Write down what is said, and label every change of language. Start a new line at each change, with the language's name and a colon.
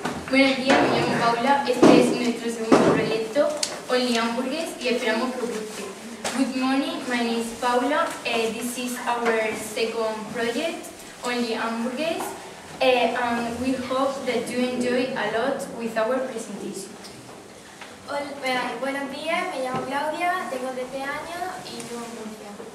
Spanish: Buenos días, me llamo Paula. Este es nuestro segundo proyecto, Only Hamburgers, y esperamos que os guste.
English: Good morning, my name is Paula. This is our second project, Only Hamburgers. And we hope that you enjoy a lot with our presentation.
Spanish: Buenos días, me llamo Claudia, tengo 13 años y vivo en Murcia.